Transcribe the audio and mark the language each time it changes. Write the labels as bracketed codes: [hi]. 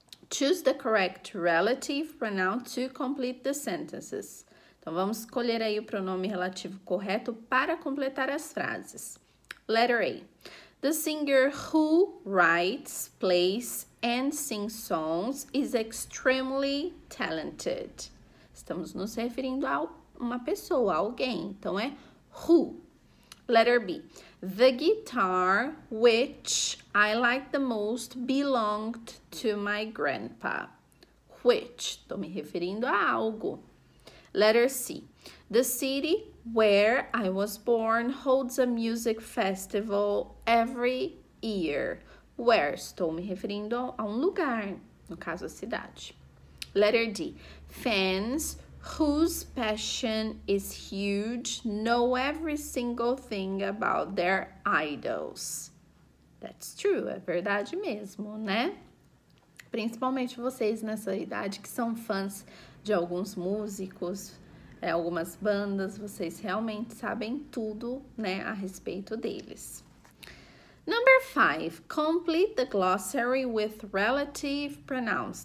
[en] Choose the correct relative pronoun to complete the sentences. [pt] Então, vamos escolher aí o pronome relativo correto para completar as frases. [en] Letter A. The singer who writes, plays and sings songs is extremely talented. [pt] Estamos nos referindo a uma pessoa, a alguém. Então, é who. [en] Letter B. The guitar which I like the most belonged to my grandpa. Which. [pt] Estou me referindo a algo. Letter C. [en] The city where I was born holds a music festival every year. Where? [pt] Estou me referindo a um lugar, no caso a cidade. [en] Letter D. Fans whose passion is huge know every single thing about their idols. That's true, [pt] é verdade mesmo, né? Principalmente vocês nessa idade que são fãs de alguns músicos, algumas bandas, vocês realmente sabem tudo, né, a respeito deles. [en] Number 5. Complete the glossary with relative pronouns.